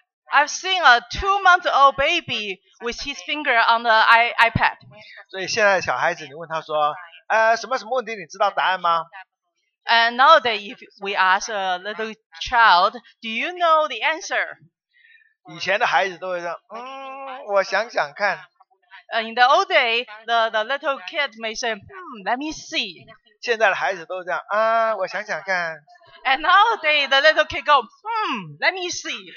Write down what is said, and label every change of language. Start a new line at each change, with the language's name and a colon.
English: I've seen a 2-month-old baby with his finger on the iPad.
Chinese: 所以现在小孩子你问他说什么什么问题你知道答案吗？
English: And nowadays, if we ask a little child, do you know the answer?
Chinese: 以前的孩子都会说我想想看。
English: In the old day, the little kid may say, let me see.
Chinese: 现在的孩子都这样啊，我想想看。
English: And nowadays, the little kid go, let me see.